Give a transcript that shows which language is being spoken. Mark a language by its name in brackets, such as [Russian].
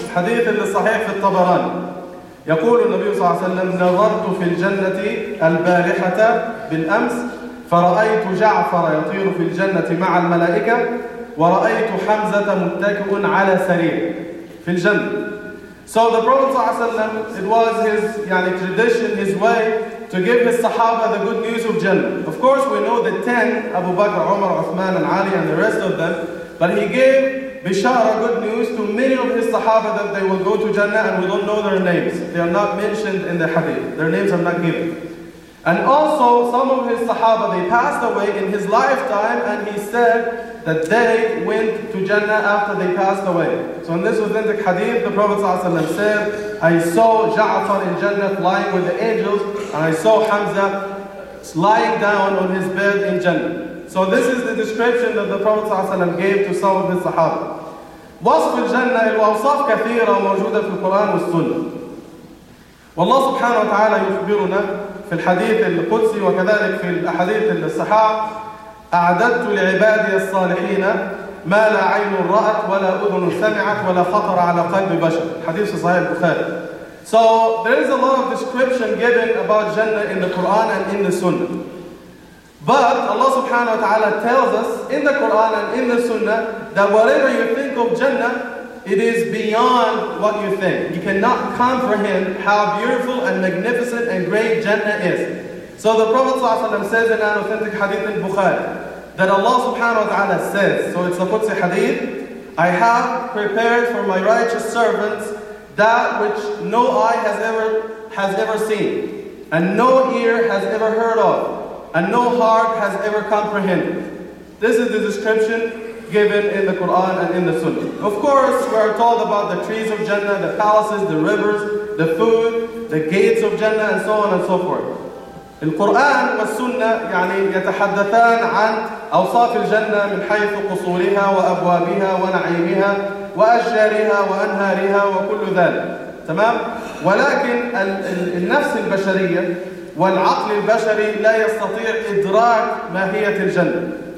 [Arabic] حديث الصحيح في الطبراني يقول النبي صلى الله عليه وسلم نظرت في الجنة البارحة بالأمس فرأيت جعفر يطير في الجنة مع الملائكة ورأيت حمزة متكئ على سرير في الجنة. [English] So the Prophet ﷺ, it was his يعني, tradition, his way to give his Sahaba the good news of Jannah. Of course, we know the 10, Abu Bakr, Umar, Uthman, and Ali, and the rest of them. But he gave Bishara good news to many of his Sahaba that they will go to Jannah, and we don't know their names. They are not mentioned in the hadith. Their names are not given. And also, some of his Sahaba, they passed away in his lifetime, and he said that they went to Jannah after they passed away. So in this authentic hadith, the Prophet ﷺ said, I saw Ja'far in Jannah lying with the angels, and I saw Hamza lying down on his bed in Jannah. So this is the description that the Prophet ﷺ gave to some of his Sahaba. [Arabic] وصف الجنة الوصف كثيرة موجودة في القرآن والسنة. والله سبحانه وتعالى يخبرنا في الحديث القدسي وكذلك في الحديث الصحاح أعددت لعبادي الصالحين ما لا عين رأت ولا أذن سمعت ولا خطر على قلب بشر. حديث صحيح البخاري. [English] So there is a lot of description given about Jannah in the Quran and in the Sunnah. But Allah subhanahu wa ta'ala tells us in the Quran and in the Sunnah that whatever you think of Jannah, it is beyond what you think. You cannot comprehend how beautiful and magnificent and great Jannah is. So the Prophet ﷺ says in an authentic hadith in Bukhari that Allah subhanahu wa ta'ala says, so it's a Qudsi hadith, I have prepared for my righteous servants that which no eye has ever seen, and no ear has ever heard of, and no heart has ever comprehended. This is the description given in the Quran and in the Sunnah. Of course, we are told about the trees of Jannah, the palaces, the rivers, the food, the gates of Jannah, and so on and so forth. [Arabic] القرآن والسنة يعني يتحدثان عن أوصاف الجنة من حيث قصورها وأبوابها ونعيمها وأشجارها وأنهارها وكل ذلك، تمام؟ ولكن النفس البشرية والعقل البشري لا يستطيع إدراك ماهية الجنة.